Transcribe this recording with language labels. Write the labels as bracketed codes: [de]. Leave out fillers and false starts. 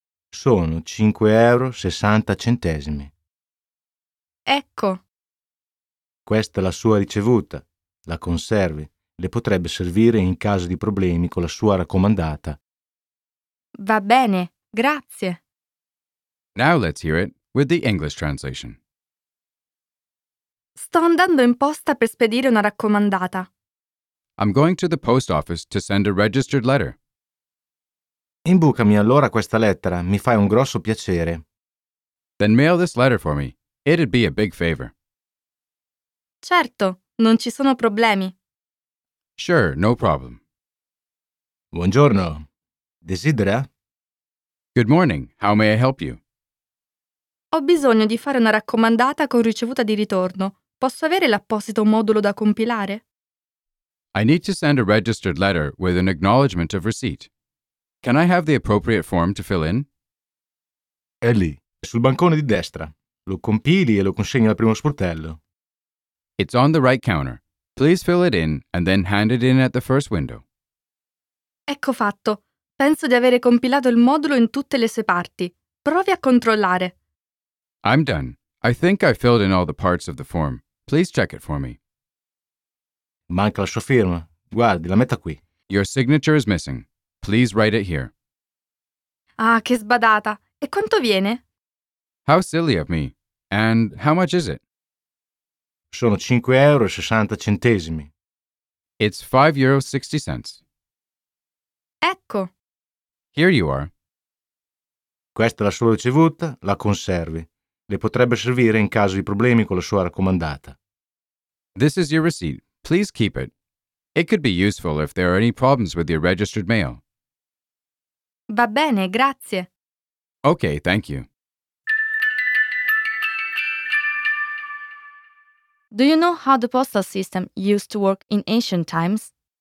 [it] Sono 5,60 euro. Ecco. Questa è la sua ricevuta. La conservi. Le potrebbe servire in caso di problemi con la sua raccomandata. Va bene, grazie. [en] Now let's hear it with the English translation. [it] Sto andando in posta per spedire una raccomandata. [en] I'm going to the post office to send a registered letter. [it] Imbucami allora questa lettera, mi fai un grosso piacere. [en] Then mail this letter for me. It'd be a big favor. [it] Certo, non ci sono problemi. [en] Sure, no problem. [it] Buongiorno. Desidera? [en] Good morning. How may I help you? [it] Ho bisogno di fare una raccomandata con ricevuta di ritorno. Posso avere l'apposito modulo da compilare? [en] I need to send a registered letter with an acknowledgement of receipt. Can I have the appropriate form to fill in? [it] È lì, sul bancone di destra. Lo compili e lo consegni al primo sportello. [en] It's on the right counter. Please fill it in and then hand it in at the first window. [it] Ecco fatto. Penso di avere compilato il modulo in tutte le sue parti. Provi a controllare. [en] I'm done. I think I filled in all the parts of the form. Please check it for me. [it] Manca la sua firma. Guardi, la metta qui. [en] Your signature is missing. Please write it here. [it] Ah, che sbadata! E quanto viene? [en] How silly of me. And how much is it? [it] Sono 5,60 euro. [en] It's 5,60 euros. [it] Ecco. [en] Here you are. [it] Questa è la sua ricevuta, la conservi. Le potrebbe servire in caso di problemi con la sua raccomandata. [en] This is your receipt. Please keep it. It could be useful if there are any problems with your registered mail. [it] Va bene, grazie. [en] Okay, thank you. Do you know how the postal system used to work in ancient times?